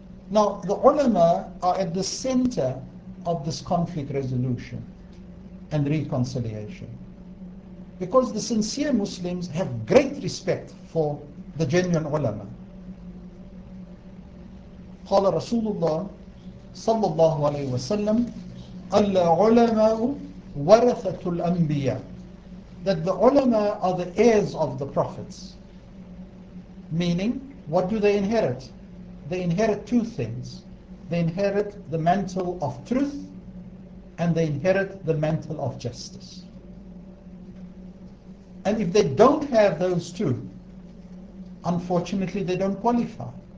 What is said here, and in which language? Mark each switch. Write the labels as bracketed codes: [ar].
[en] Now, the ulama are at the center of this conflict resolution and reconciliation. Because the sincere Muslims have great respect for the genuine ulama. [ar] قال رسول الله صلى الله عليه وسلم العلماء ورثة الأنبياء, [en] that the ulama are the heirs of the prophets. Meaning, what do they inherit? They inherit two things. They inherit the mantle of truth and they inherit the mantle of justice. And if they don't have those two, unfortunately, they don't qualify.